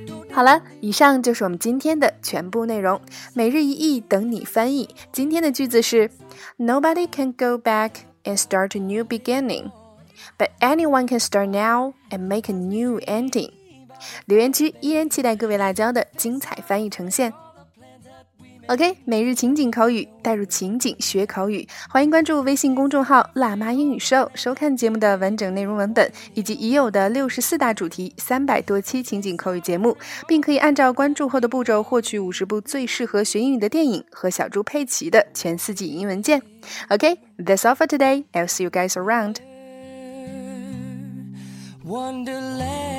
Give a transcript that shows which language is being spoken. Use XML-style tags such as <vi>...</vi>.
<zh>好了，以上就是我们今天的全部内容，每日一译等你翻译。今天的句子是</zh> <en>Nobody can go back and start a new beginningBut anyone can start now and make a new ending.</en> <zh>留言区依然期待各位辣椒的精彩翻译呈现。 OK, 每日情景口语，带入情景学口语。欢迎关注微信公众号辣妈英语秀，收看节目的完整内容文本，以及已有的64大主题、300多期情景口语节目，并可以按照关注后的步骤获取50部最适合学英语的电影和小猪佩奇的全四季英文件。</zh> <en>OK, that's all for today. I'll see you guys around.Wonderland</en>